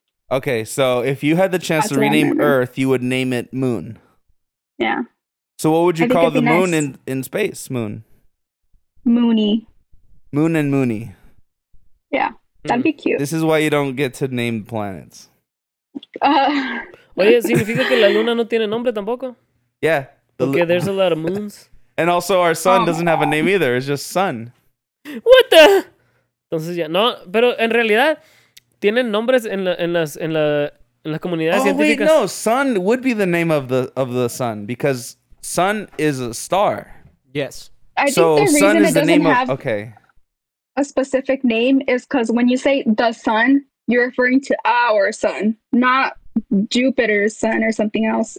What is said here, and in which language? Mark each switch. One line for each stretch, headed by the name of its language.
English: Okay, so if you had the chance that's to rename Earth, you would name it Moon. Yeah. So what would you call the moon in space? Moon. Moony. Moon and Moony. Yeah. That'd be cute. This is why you don't get to name planets.
Spanish: Oye, significa que la luna no tiene nombre tampoco.
English: Yeah. Okay, there's a lot of moons. And also our sun doesn't have a name either. It's just sun. What the?
Spanish: Entonces ya, no, pero en realidad tienen nombres en las comunidades científicas.
English: Oh, wait, no. Sun would be the name of the sun because sun is a star. Yes. So sun is the name of, okay. A specific name is because when you say the sun, you're referring to our sun, not Jupiter's sun or something else.